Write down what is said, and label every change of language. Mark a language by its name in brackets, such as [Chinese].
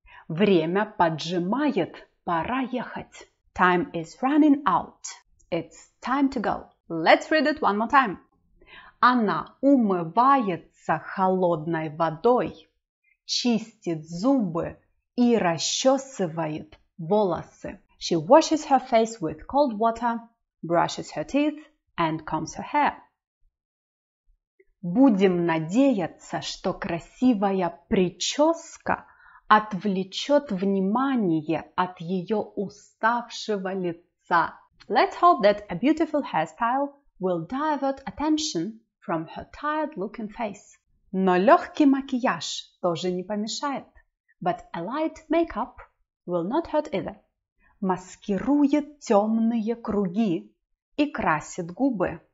[Russian] Время поджимает. Пора ехать. [English] Time is running out. It's time to go. Let's read it one more time. [Russian] Она умывается холодной водой, чистит зубы и расчесывает волосы. [English] She washes her face with cold water, brushes her teeth, and combs her hair. [Russian] Будем надеяться, что красивая прическа отвлечет внимание от ее уставшего лица. [English] Let's hope that a beautiful hairstyle will divert attention from her tired-looking face. [Russian] Но легкий макияж тоже не помешает. [English] But a light makeup will not hurt either. [Russian] Маскирует темные круги и красит губы.